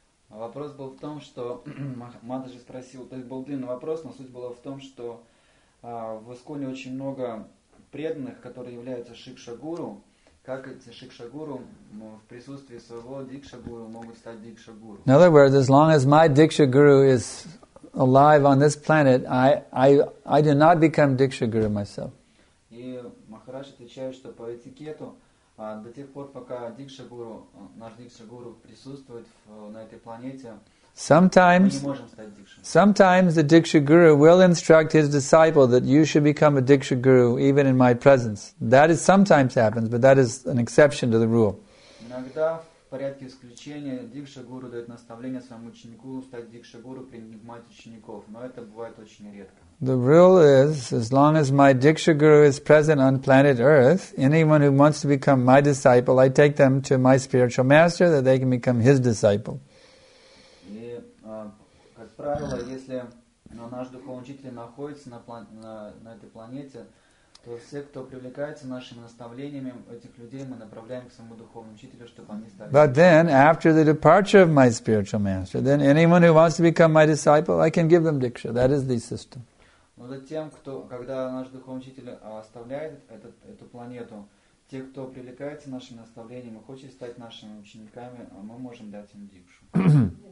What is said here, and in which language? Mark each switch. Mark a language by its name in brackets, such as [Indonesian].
[Russian] Вопрос был в том, что Матаджи спросил, то есть был длинный вопрос, но суть была в том, что в Исконе очень много преданных, которые являются шикшагуру. Как эти шикшагуру в присутствии своего дикшагуру могут стать дикшагуру? [English] In other words, as long as my dikshaguru is alive on this planet, I do not become Diksha Guru myself. [Russian] И Махарадж отвечает, что по этикету, до тех пор, пока Диксха Гуру, наш Диксха Гуру присутствует на этой планете, мы не можем стать Дикшей. [English] Sometimes the Diksha Guru will instruct his disciple that you should become a Diksha Guru even in my presence. That is sometimes happens, but that is an exception to the rule. [Russian] Иногда в порядке исключения Дикша Гуру дает наставление своему ученику стать Дикша Гуру при принимать учеников, но это бывает очень редко. [English] The rule is, as long as my Diksha Guru is present on planet Earth, anyone who wants to become my disciple, I take them to my spiritual master, that they can become his disciple. [Russian] И, как правило, если наш духовный учитель находится на этой планете, то все, кто привлекается нашими наставлениями, этих людей мы направляем к своему духовному учителю, чтобы они стали. [English] But then, after the departure of my spiritual master, then anyone who wants to become my disciple, I can give them diksha. That is the system. [Russian] Но затем, когда наш духовный учитель оставляет эту планету, те, кто привлекается нашими наставлениями, хочет стать нашими учениками, мы можем дать им дикшу.